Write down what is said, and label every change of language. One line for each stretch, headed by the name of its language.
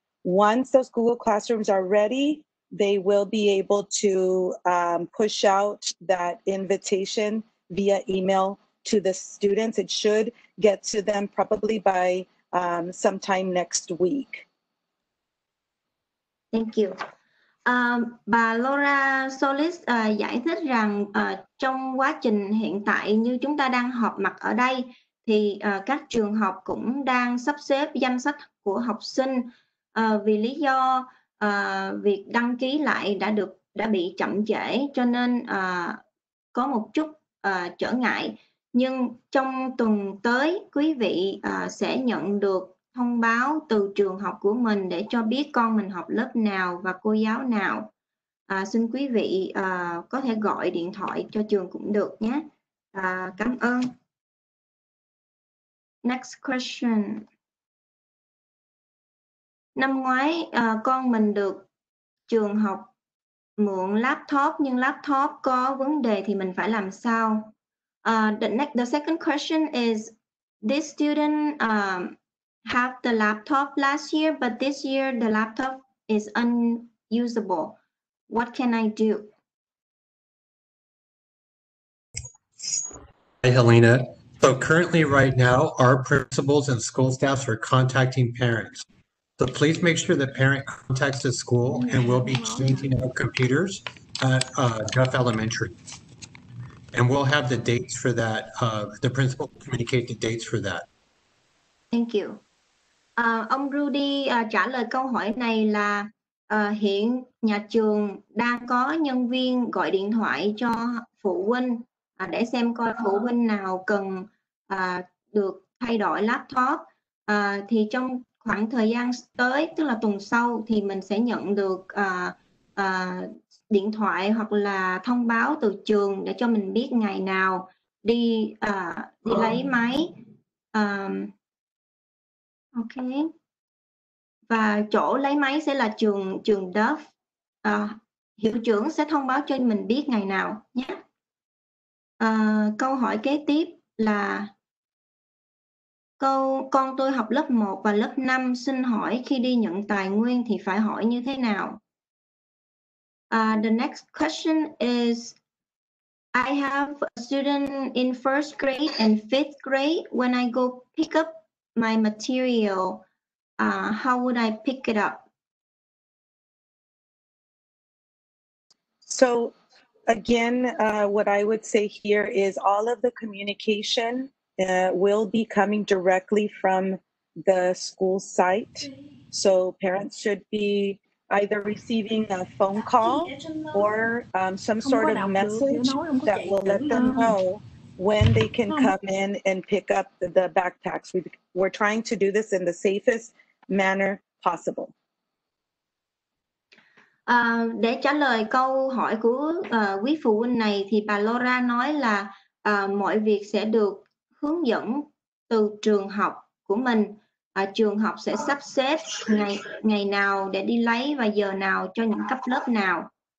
English: Once those Google Classrooms are ready, they will be able to push out that invitation via email to the students. It should get to them probably by sometime next week. Thank you.
Vietnamese: Bà Laura Solis giải thích rằng trong quá trình hiện tại như chúng ta đang họp mặt ở đây thì các trường học cũng đang sắp xếp danh sách của học sinh vì lý do việc đăng ký lại đã bị chậm trễ cho nên có một chút trở ngại. Nhưng trong tuần tới quý vị sẽ nhận được thông báo từ trường học của mình để cho biết con mình học lớp nào và cô giáo nào. Xin quý vị có thể gọi điện thoại cho trường cũng được nhé. Cảm ơn.
English: Next question.
Vietnamese: Năm ngoái con mình được trường học mượn laptop nhưng laptop có vấn đề thì mình phải làm sao?
English: The second question is this student have the laptop last year, but this year the laptop is unusable. What can I do? Hi, Helena. So currently right now, our principals and school staffs are contacting parents. So please make sure the parent contacts the school and we'll be changing our computers at Duff Elementary. And we'll have the dates for that. The principal will communicate the dates for that. Thank you.
Vietnamese: Ông Rudy trả lời câu hỏi này là hiện nhà trường đang có nhân viên gọi điện thoại cho phụ huynh để xem coi phụ huynh nào cần được thay đổi laptop. Thì trong khoảng thời gian tới, tức là tuần sau, thì mình sẽ nhận được điện thoại hoặc là thông báo từ trường để cho mình biết ngày nào đi đi lấy máy. Ok. Và chỗ lấy máy sẽ là trường Duff. Hiệu trưởng sẽ thông báo cho mình biết ngày nào nhé. Câu hỏi kế tiếp là câu con tôi học lớp 1 và lớp 5, xin hỏi khi đi nhận tài nguyên thì phải hỏi như thế nào?
English: The next question is, I have a student in first grade and fifth grade. When I go pick up my material, how would I pick it up? So again, what I would say here is all of the communication will be coming directly from the school site. So parents should be either receiving a phone call or some sort of message that will let them know when they can come in and pick up the backpacks. We're trying to do this in the safest manner possible.
Vietnamese: Để trả lời câu hỏi của quý phụ huynh này thì bà Laura nói là mọi việc sẽ được hướng dẫn từ trường học của mình. Trường học sẽ sắp xếp ngày nào để đi lấy và giờ nào cho những cấp lớp nào.